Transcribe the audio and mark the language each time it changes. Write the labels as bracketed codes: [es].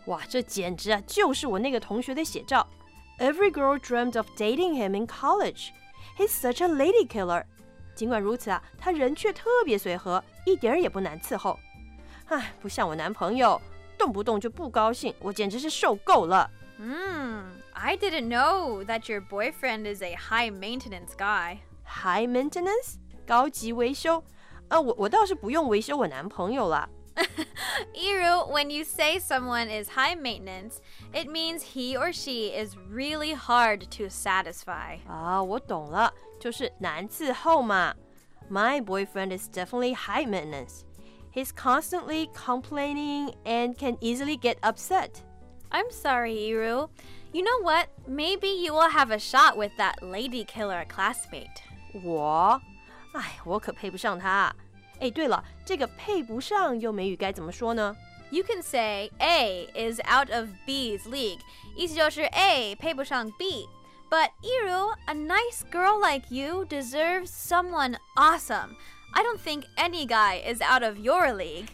[zh] 哇，这简直啊，就是我那个同学的写照。 [en] Every girl dreamed of dating him in college. He's such a lady killer. [zh] 尽管如此啊，他人却特别随和，一点也不难伺候。唉，不像我男朋友，动不动就不高兴，我简直是受够了。 [en] I didn't know that your boyfriend is a high maintenance guy. [zh] High maintenance? 高级维修？我倒是不用维修我男朋友了。 [en] Iru, when you say someone is high maintenance, it means he or she is really hard to satisfy. [zh] 我懂了，就是难伺候嘛。 [en] My boyfriend is definitely high maintenance. He's constantly complaining and can easily get upset. I'm sorry, Iru. You know what? Maybe you will have a shot with that lady killer classmate. [zh] 我？哎，我可配不上他。哎，对了，这个配不上用美语该怎么说呢？ [en] You can say A is out of B's league. [zh] 意思就是 A 配不上 B. [en] But Iru, a nice girl like you deserves someone awesome. I don't think any guy is out of your league.